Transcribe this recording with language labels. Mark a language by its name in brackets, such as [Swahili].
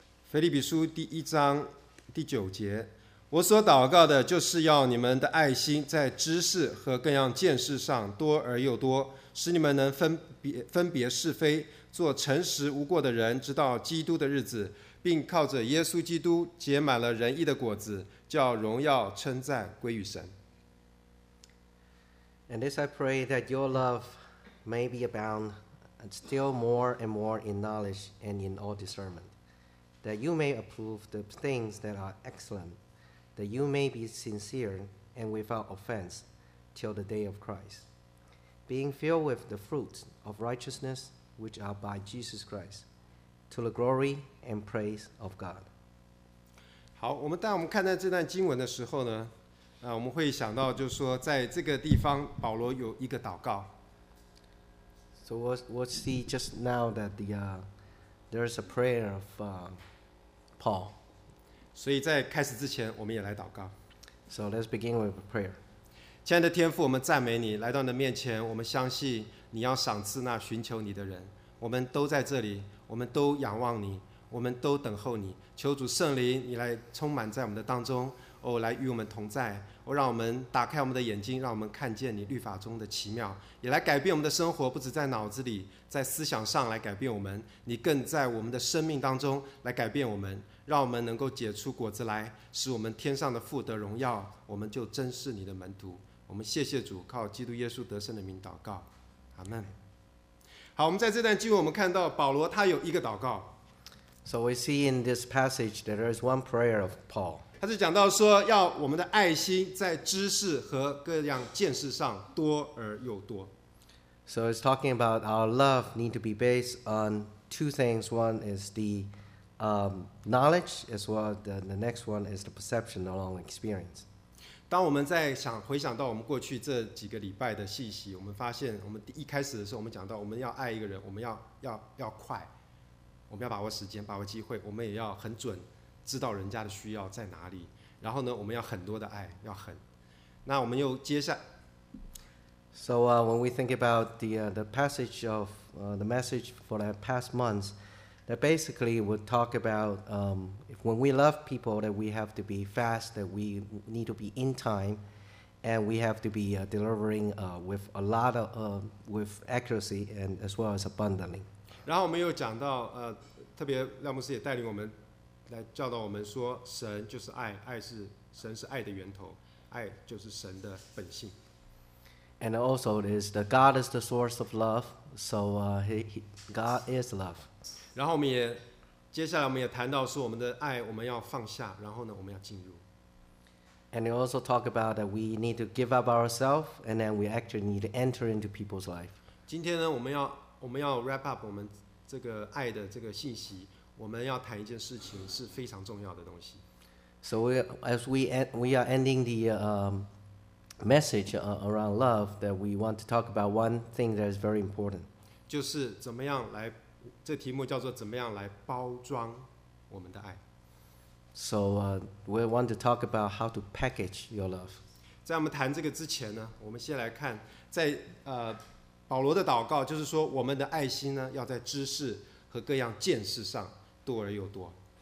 [Chinese] 腓立比书第一章。第九节，我所祷告的就是要你们的爱心在知识和各样见识上多而又多，使你们能分别是非，做诚实无过的人，直到基督的日子，并靠着耶稣基督结满了仁义的果子，叫荣耀称赞归于神。 [English] And this I pray that your love may be abound and still more and more in knowledge and in all discernmentthat you may approve the things that are excellent, that you may be sincere and without offense till the day of Christ, being filled with the fruit of righteousness which are by Jesus Christ, to the glory and praise of God. [Chinese] 好，我们当我们看到这段经文的时候呢，我们会想到就是说在这个地方保罗有一个祷告。 [English] So we'll see just now that there's a prayer of Paul. [Chinese] 所以在开始之前，我们也来祷告。 [English] So let's begin with a prayer. [Chinese] 亲爱的天父，我们赞美你，来到你的面前，我们相信你要赏赐那寻求你的人。我们都在这里，我们都仰望你，我们都等候你。求主圣灵，你来充满在我们的当中，哦，来与我们同在。哦，让我们打开我们的眼睛，让我们看见你律法中的奇妙，也来改变我们的生活，不只在脑子里，在思想上来改变我们，你更在我们的生命当中来改变我们，让我们能够结出果子来，使我们天上的父得荣耀，我们就真是你的门徒。我们谢谢主，靠基督耶稣得胜的名祷告，阿们。好，我们在这段经文我们看到保罗他有一个祷告。 [English] So we see in this passage that there is one prayer of Paul. [Chinese] 他是讲到说要我们的爱心在知识和各样见识上多而又多。 [English] So it's talking about our love need to be based on two things. One is the knowledge, as well as the next one is the perception along experience. [Chinese] 当我们在想回想到我们过去这几个礼拜的信息，我们发现我们一开始的时候，我们讲到我们要爱一个人，我们要快，我们要把握时间，把握机会，我们也要很准知道人家的需要在哪里，然后呢我们要很多的爱，要很，那我们又接下 [English] So when we think about the passage of the message for the past months, that basically would talk about if when we love people, that we have to be fast, that we need to be in time, and we have to be delivering with a lot of with accuracy and as well as abundantly. [Chinese] 然后我们又讲到特别廖牧师也带领我们来教导我们说，神就是爱，爱是神是爱的源头，爱就是神的本性。 [English] And also, it is the God is the source of love, so God is love. [Chinese] 然后我们也接下来我们也谈到说我们的爱我们要放下，然后呢我们要进入。 [English] And you also talk about that we need to give up ourselves, and then we actually need to enter into people's life. [Chinese] 今天呢我们要 [English] wrap up [Chinese] 我们这个爱的这个信息，我们要谈一件事情是非常重要的东西。 [English] So we are ending the message around love, that we want to talk about one thing that is very important. [Chinese] 就是怎么样来，这题目叫做怎么样来包装我们的爱。 [English] So we want to talk about how to package your love. [Chinese] 在我们谈这个之前呢，我们先来看在保罗的祷告，就是说我们的爱心呢要在知识和各样见识上多而又多。